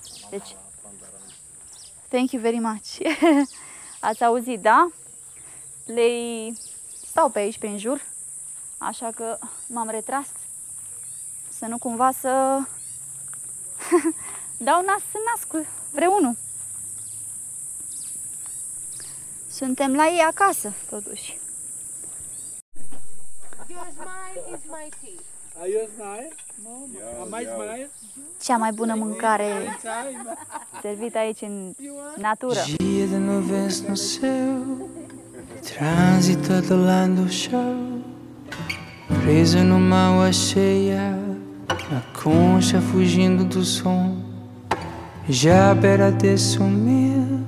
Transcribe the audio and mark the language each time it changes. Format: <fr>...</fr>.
<ro>Deci,</ro> <en>thank you very much.</en> <ro>Ați auzit, da? Lei stau pe aici, prin jur, așa că m-am retras să nu cumva să dau nas să nasc vreunul. Suntem la ei acasă, totuși. Cea mai bună mâncare servită aici în natură.</ro> <pt>Gira no vento no céu, transitando lá no chão, presa numa água cheia, a concha fugindo do som, já beira de sumir.</pt>